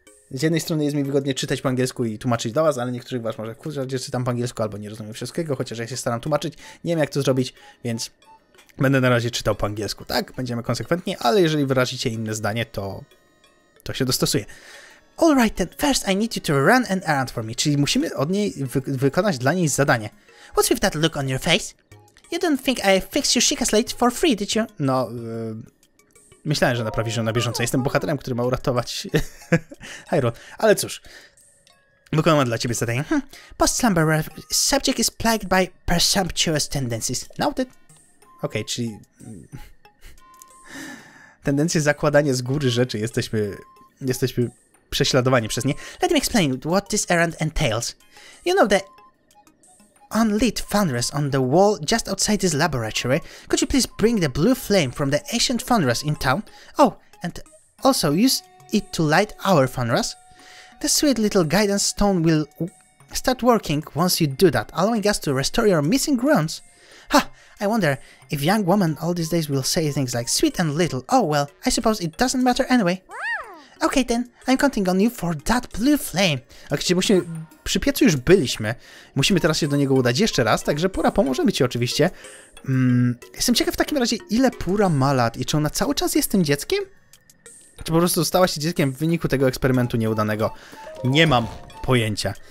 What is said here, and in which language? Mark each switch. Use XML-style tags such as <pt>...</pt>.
<pl>Z jednej strony jest mi wygodnie czytać po angielsku i tłumaczyć do was, ale niektórych was może kurczę, że czytam po angielsku albo nie rozumiem wszystkiego, chociaż ja się staram tłumaczyć. Nie wiem, jak to zrobić, więc będę na razie czytał po angielsku, tak? Będziemy konsekwentni, ale jeżeli wyrazicie inne zdanie, to się dostosuje.</pl> <en>All right then, first I need you to run an errand for me,</en> <pl>czyli musimy od niej wykonać dla niej zadanie.</pl> <en>What's with that look on your face? You don't think I fixed your Sheikah Slate for free, did you?</en> <pl>No, myślałem, że naprawisz ją na bieżąco. Jestem bohaterem, który ma uratować Hyrule, ale cóż. Wykonam dla ciebie zadanie.</pl> <en>Post-slumber subject is plagued by presumptuous tendencies. Noted.</en> <pl>Okej, okay, czyli tendencje zakładania z góry rzeczy, jesteśmy prześladowani przez nie.</pl> <en>Let me explain what this errand entails. You know the unlit fundress on the wall just outside this laboratory? Could you please bring the blue flame from the ancient fundress in town? Oh, and also use it to light our fundress? The sweet little guidance stone will start working once you do that, allowing us to restore your missing runes. Ha! I wonder if young woman all these days will say things like sweet and little. Oh well, I suppose it doesn't matter anyway. Okay then, I'm counting on you for that blue flame.</en> <pl>Ok, czyli musimy, przy piecu już byliśmy. Musimy teraz się do niego udać jeszcze raz, także Pura, pomożemy ci oczywiście. Jestem ciekaw w takim razie, ile Pura ma lat i czy ona cały czas jest tym dzieckiem? Czy po prostu stała się dzieckiem w wyniku tego eksperymentu nieudanego? Nie mam pojęcia.</pl>